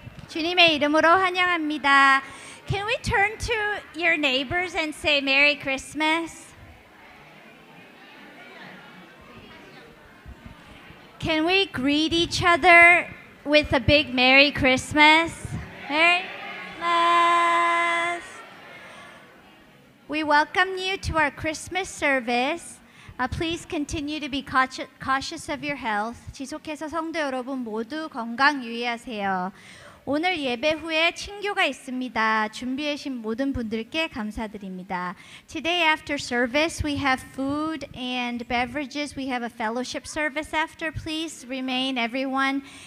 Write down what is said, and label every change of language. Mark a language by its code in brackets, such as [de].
[ko] 주님의 이름으로 환영합니다. [en] Can we turn to your neighbors and say Merry Christmas? Can we greet each other with a big Merry Christmas? Merry Christmas! We welcome you to our Christmas service. Please continue to be cautious of your health. [ko] 지속해서 성도 여러분 모두 건강 유의하세요. 오늘 예배 후에 친교가 있습니다. 준비해 주신 모든 분들께 감사드립니다. [en] Today after service, we have food and beverages. We have a fellowship service after. Please remain everyone.